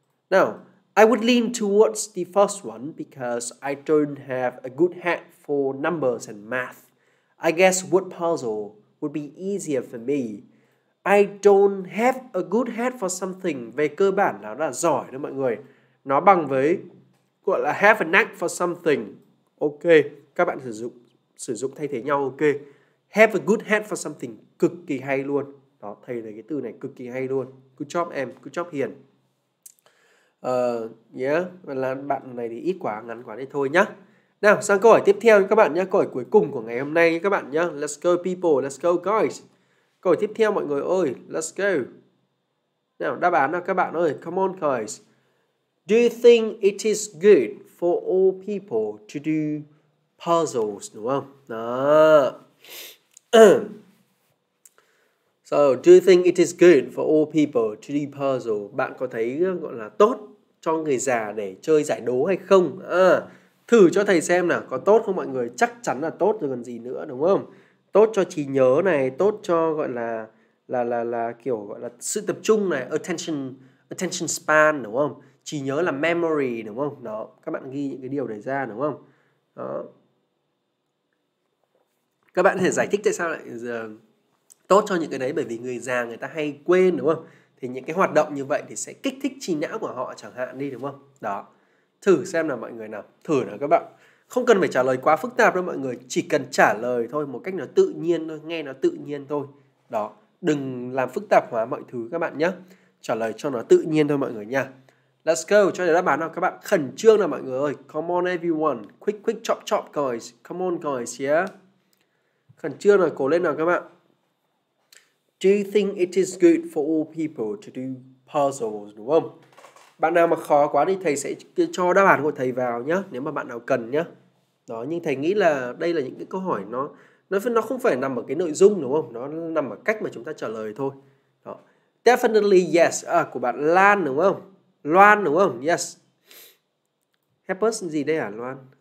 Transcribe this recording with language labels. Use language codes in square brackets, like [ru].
[en] Now, I would lean towards the first one because I don't have a good head for numbers and math. I guess word puzzle would be easier for me. I don't have a good head for something. [vi] Về cơ bản nó là giỏi đó mọi người. Nó bằng với gọi là have a knack for something. Ok, các bạn sử dụng thay thế nhau ok. Have a good head for something cực kỳ hay luôn. Đó, thầy thấy cái từ này cực kỳ hay luôn. Good job em, good job Hiền. Yeah, là bạn này thì ít quá, ngắn quá đấy thôi nhá. Nào, sang câu hỏi tiếp theo các bạn nhé. Câu hỏi cuối cùng của ngày hôm nay các bạn nhé. Let's go people, let's go guys. Câu hỏi tiếp theo mọi người ơi, let's go. Nào, đáp án nào các bạn ơi, come on guys. [en] Do you think it is good for all people to do puzzles, đúng không? Đó. So, do you think it is good for all people to do puzzles? [vi] Bạn có thấy gọi là tốt cho người già để chơi giải đố hay không? Thử cho thầy xem nào, có tốt không mọi người? Chắc chắn là tốt rồi còn gì nữa, đúng không? Tốt cho trí nhớ này, tốt cho gọi là kiểu gọi là sự tập trung này, attention span, đúng không? Trí nhớ là memory, đúng không? Đó, các bạn ghi những cái điều này ra, đúng không? Đó. Các bạn có thể giải thích tại sao lại tốt cho những cái đấy, bởi vì người già người ta hay quên, đúng không? Thì những cái hoạt động như vậy thì sẽ kích thích trí não của họ chẳng hạn đi, đúng không? Đó. Thử xem nào mọi người nào, thử nào các bạn. Không cần phải trả lời quá phức tạp đâu mọi người, chỉ cần trả lời thôi một cách nó tự nhiên thôi, nghe nó tự nhiên thôi. Đó, đừng làm phức tạp hóa mọi thứ các bạn nhé. Trả lời cho nó tự nhiên thôi mọi người nha. Let's go, cho đáp án nào các bạn. Khẩn trương nào mọi người ơi. Come on everyone, quick chop chop guys. Come on guys, yeah. Khẩn trương nào, cố lên nào các bạn. [en] Do you think it is good for all people to do puzzles, đúng không? [vi] Bạn nào mà khó quá thì thầy sẽ cho đáp án của thầy vào nhá, nếu mà bạn nào cần nhá. Đó, nhưng thầy nghĩ là đây là những cái câu hỏi nó không phải nằm ở cái nội dung, đúng không? Nó nằm ở cách mà chúng ta trả lời thôi. Đó. Definitely yes, của bạn Lan đúng không? Loan đúng không? Yes. Happers gì đây hả Loan?